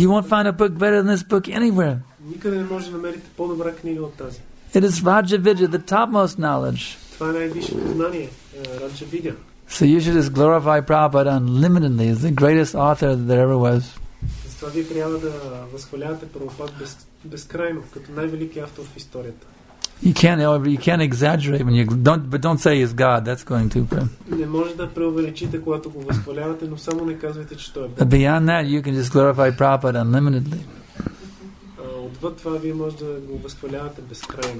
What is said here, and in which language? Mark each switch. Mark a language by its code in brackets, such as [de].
[en] You won't find a book better than this book anywhere. [bg] Никъде не може да намерите по-добра книга от тази. [en] It is Rajavidya, the topmost knowledge. [bg] Това е най-висшето знание, Rajavidya. [en] So you should just glorify Prabhupada unlimitedly as the greatest author that there ever was. [bg] Това вие трябва да възхвалявате Прабхупад безкрайно, като най-велики автор в историята. [en] You can't exaggerate when you don't say he's God. That's going too far. [bg] Не може да преувеличите, когато го възхвалявате, но само не казвайте, че той е Бог. [en] Beyond that, you can just glorify Prabhupada unlimitedly. [bg] Отвъд това вие може да го възхвалявате безкрайно.